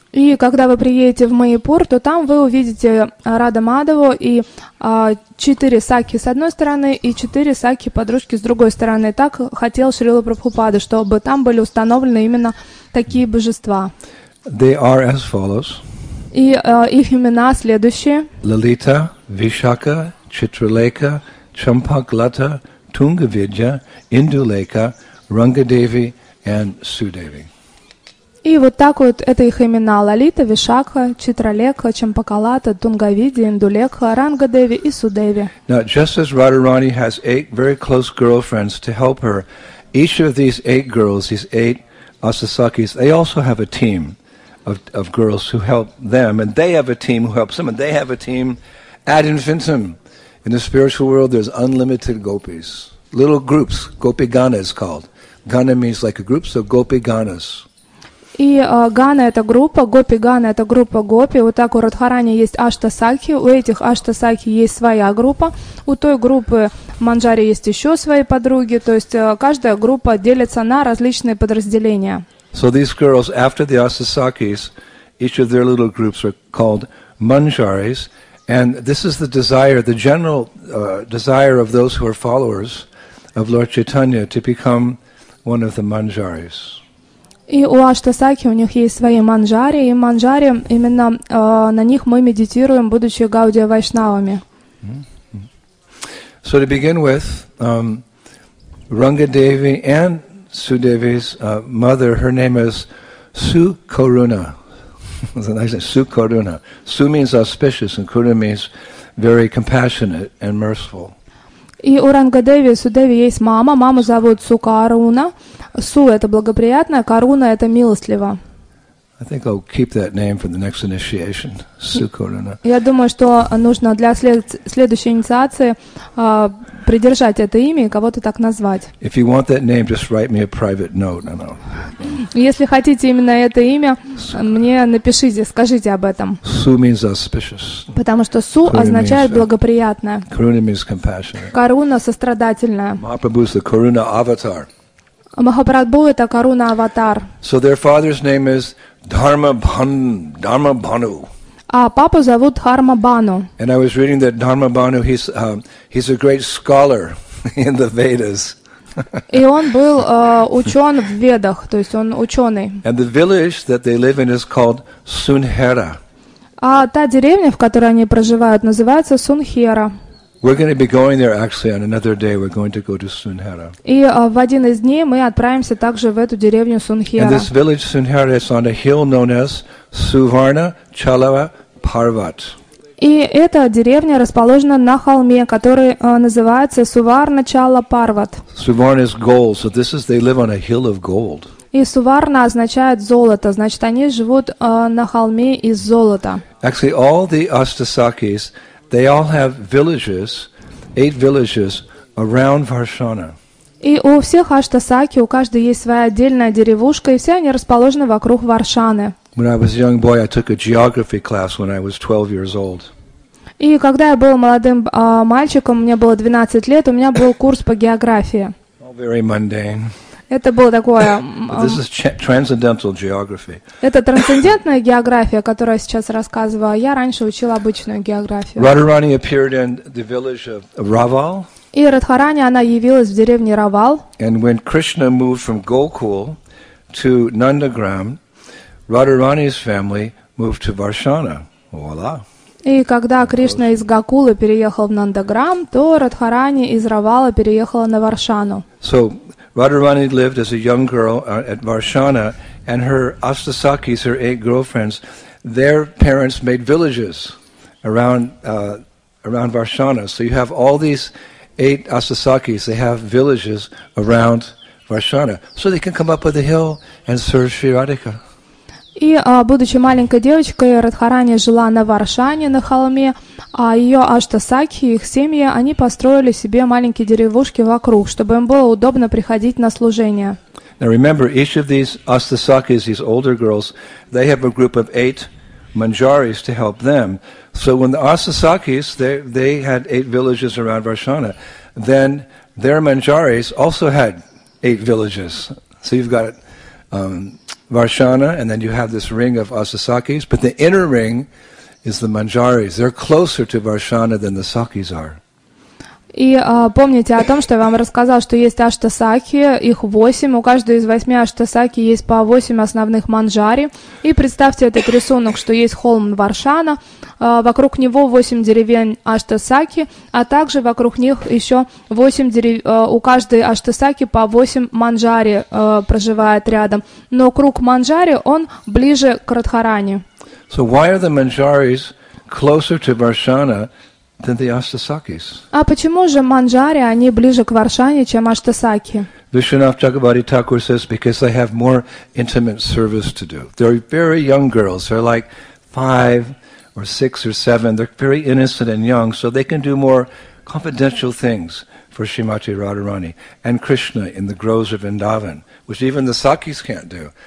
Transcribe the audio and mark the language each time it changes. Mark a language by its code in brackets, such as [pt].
[ru] И когда вы приедете в Майяпур, то там вы увидите Радха Мадхаву и четыре Саки с одной стороны и четыре Саки подружки с другой стороны. Так хотел Шрила Прабхупада, чтобы там были установлены именно такие божества. [en] They are as follows. [ru] И их имена следующие: Лалита, Вишака, Читралека, Чампаклата, Тунгавиджа, Индулека, Рангадеви и Судеви. И вот так вот это их имена: Лалита, Вишака, Читралека, Чампакалата, Тунгавиджа, Индулека, Рангадеви и Судеви. [en] Now, just as Radharani has eight very close girlfriends to help her, each of these eight girls, these eight Ashtasakis, they also have a team of girls who help them, and they have a team who helps them, and they have a team ad infinitum. In the spiritual world, there's unlimited gopis, little groups, gopi gana is called. Gana means like a group, so gopi ganas. [ru] И гана это группа, гопи гана это группа гопи. Вот так у Радхарани есть аштасаки, у этих аштасаки есть своя группа, у той группы манджари есть еще свои подруги. То есть каждая группа делится на различные подразделения. [en] So these girls, after the aštasakis, each of their little groups are called manjaris. And this is the desire, the general desire of those who are followers of Lord Chaitanya to become one of the manjaris. [ru] И у Аштасаки у них есть свои манджари, и манджари именно на них мы медитируем, будучи гаудия вайшнавами. [en] So to begin with, Рангадеви and Судеви's mother, her name is Sukaruna. That's a nice name, Sukaruna. Su means auspicious, and Karuna means very compassionate and merciful. [ru] И у Рангадеви, Судеви есть мама. Маму зовут Сукаруна. Су это благоприятное, Каруна это милостливо. [en] I think I'll keep that name for the next initiation, Sukaruna. [ru] Я думаю, что нужно для следующей инициации придержать это имя и кого-то так назвать. [en] If you want that name, just write me a private note. No, no. [ru] Если хотите именно это имя, мне напишите, скажите об этом. [en] Su means auspicious. [ru] Потому что су означает благоприятное. [en] Karuna means compassionate. [ru] Каруна сострадательная. [en] Mahaprabhu is the Karuna avatar. [ru] Махапрабху это Каруна аватар. [en] So their father's name is Dharma Bhanu. [ru] А папу зовут Дхарма Бану. [en] And I was reading that Dharma Bhanu, he's a great scholar in the Vedas. [ru] И он был учен в Ведах, то есть он ученый. [en] And the village that they live in is called Sunhera. [ru] А та деревня, в которой они проживают, называется Сунхера. [en] We're going to be going there actually on another day. We're going to go to Sunhera. [ru] И в один из дней мы отправимся также в эту деревню Сунхера. [en] And this village Sunhera is on a hill known as Suvarna Chalava Parvat. [ru] И эта деревня расположена на холме, который называется Suvarna Chala Parvat. [en] Suvarna is gold, so this is they live on a hill of gold. [ru] И Suvarna означает золото, значит они живут на холме из золота. [en] Actually, all the Ashtasakis, they all have villages, eight villages around Varshana. [ru] И у всех Аштасаки, у каждой есть своя отдельная деревушка, и все они расположены вокруг Варшаны. [en] When I was a young boy, I took a geography class when I was 12 years old. [ru] И когда я был молодым мальчиком, мне было 12 лет, у меня был курс по географии. [en] All very mundane. [ru] Это было такое... [en] This is transcendental geography. [ru] Это трансцендентная география, которую я сейчас рассказываю. Я раньше учила обычную географию. [en] Radharani appeared in the village of Raval. [ru] И Радхарани, она явилась в деревне Равал. [en] And when Krishna moved from Gokul to Nandagram, Radharani's family moved to Varshana. Voila. [ru] И когда Кришна из Гокулы переехал в Нандаграм, то Радхарани из Равала переехала на Варшану. [en] So, Radharani lived as a young girl at Varshana And her astasakis, her eight girlfriends, their parents made villages around Varshana. So you have all these eight astasakis, they have villages around Varshana. So they can come up with a hill and serve Sri Radhika. [ru] И, будучи маленькой девочкой, Радхарани жила на Варшане, на холме, а ее аштасакхи, их семьи, они построили себе маленькие деревушки вокруг, чтобы им было удобно приходить на служение. [en] Now remember, each of these astasakhis, these older girls, they have a group of eight manjaris to help them. So when the astasakhis, they had eight villages around Varshana, then their manjaris also had eight villages. So you've got... Varshana, and then you have this ring of Asasakis, but the inner ring is the Manjaris. They're closer to Varshana than the Sakis are. [ru] И помните о том, что я вам рассказал, что есть аштасакхи, их восемь. У каждой из восьми аштасакхи есть по восемь основных манджари. И представьте этот рисунок, что есть холм Варшана, вокруг него восемь деревень аштасакхи, а также вокруг них еще восемь деревень. У каждой аштасакхи по восемь манджари проживает рядом. Но круг манджари, он ближе к Радхарани. [en] So why are the manjaris closer to Varshana than the astasakis? [ru] А почему же манджари, они ближе к Варшане, чем аштасакхи? [en] Vishwanath Chakrabarti Thakur says, because they have more intimate service to do. They're very young girls. They're like five or six or seven. They're very innocent and young, so they can do more confidential things for Srimati Radharani and Krishna in the groves of Vrindavan, which even the Sakis can't do.